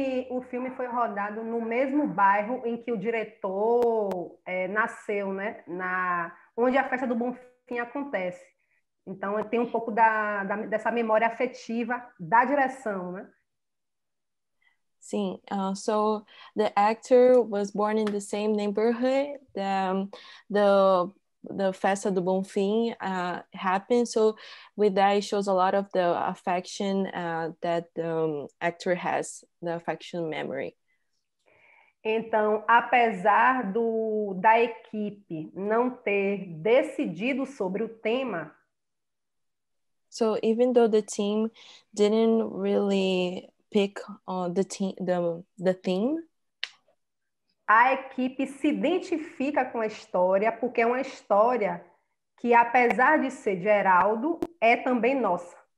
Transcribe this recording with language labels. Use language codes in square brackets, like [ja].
[pt] o filme foi rodado no mesmo bairro em que o diretor nasceu, né? Na onde a festa do Bonfim acontece. Então eu tenho um pouco dessa memória afetiva da direção, né? Sim, [en] so the actor was born in the same neighborhood the Festa do Bonfim happened. So with that, it shows a lot of the affection that the actor has, the affection memory. [pt] Então, apesar da equipe não ter decidido sobre o tema, [en] so even though the team didn't really pick on the theme, [pt] a equipe se identifica com a história porque é uma história que, apesar de ser de Geraldo, é também nossa.